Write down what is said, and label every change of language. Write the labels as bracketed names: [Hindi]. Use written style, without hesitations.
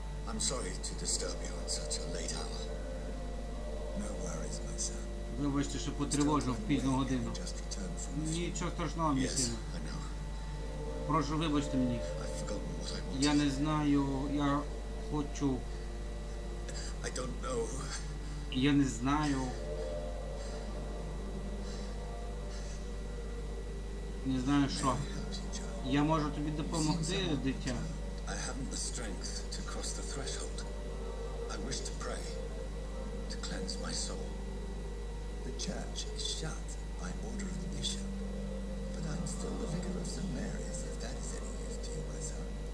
[English] I'm sorry to disturb you at such a late hour. No worries, my son. [Ukrainian] Вибачте, що потривожив в пізню годину. Нічого страшного, мій син. Прошу вибачте мені. Я не знаю, я хочу. [English] I don't know. [Ukrainian] Я не знаю. Не знаю що. Я можу тобі допомогти, дитя. [English] I haven't the strength to cross the threshold. I wish to pray, to cleanse my soul. The church is shut by order of the bishop. But I'm still the vicar of St. Mary's, if that is any use to you, my son.